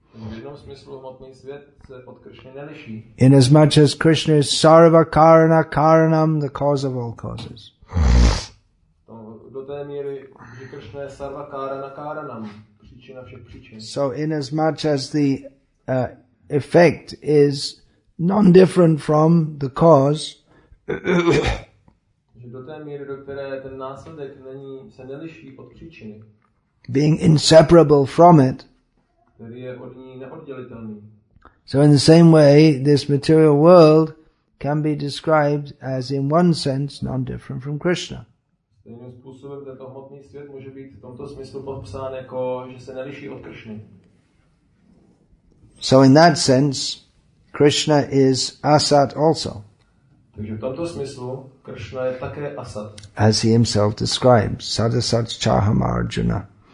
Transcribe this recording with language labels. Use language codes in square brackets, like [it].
[cs] V jednom smyslu hmotný svět se od Kršny neliší. [en] Inasmuch as Krishna is [sa] sarva karana karanam, [en] the cause of all causes. [cs] Do té míry, že Kršna je [sa] sarva karana karanam, [cs] příčina všech příčin. [en] So inasmuch as the effect is non-different from the cause. [cs] Do té míry, do které ten následek není, se neliší od příčiny. [en] Being inseparable from it. [cs] Který je od ní neoddělitelný. [en] So in the same way, this material world can be described as in one sense non-different from Krishna. [cs] Stejným způsobem tento hmotný svět může být v tomto smyslu popsán jako, že se neliší od Krishny. [en] So in that sense, Krishna is asat also. [cs] Takže v tomto smyslu Krishna je také asat. [en] As he himself describes, [sa] sadasat chaham arjuna.